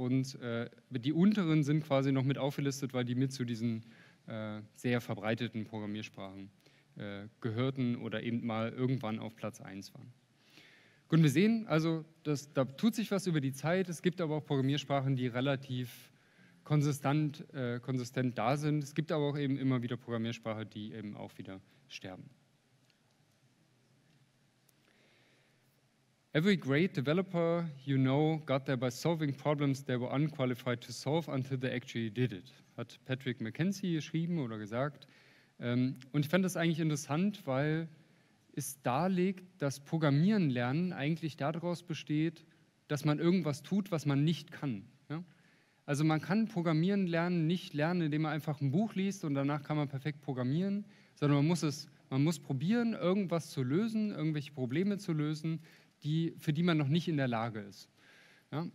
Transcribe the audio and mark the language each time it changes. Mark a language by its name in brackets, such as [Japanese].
[German] Und die unteren sind quasi noch mit aufgelistet, weil die mit zu diesen sehr verbreiteten Programmiersprachen gehörten oder eben mal irgendwann auf Platz 1 waren. Gut, und wir sehen also, da tut sich was über die Zeit. Es gibt aber auch Programmiersprachen, die relativ konsistent da sind. Es gibt aber auch eben immer wieder Programmiersprachen, die eben auch wieder sterben. [English] Every great developer you know got there by solving problems they were unqualified to solve until they actually did it, [German] hat Patrick McKenzie geschrieben oder gesagt. Und ich fand das eigentlich interessant, weil es darlegt, dass Programmieren lernen eigentlich daraus besteht, dass man irgendwas tut, was man nicht kann. Ja? Also man kann Programmieren lernen nicht lernen, indem man einfach ein Buch liest und danach kann man perfekt programmieren, sondern man muss probieren, irgendwas zu lösen, irgendwelche Probleme zu lösen, für die man noch nicht in der Lage ist. Ja?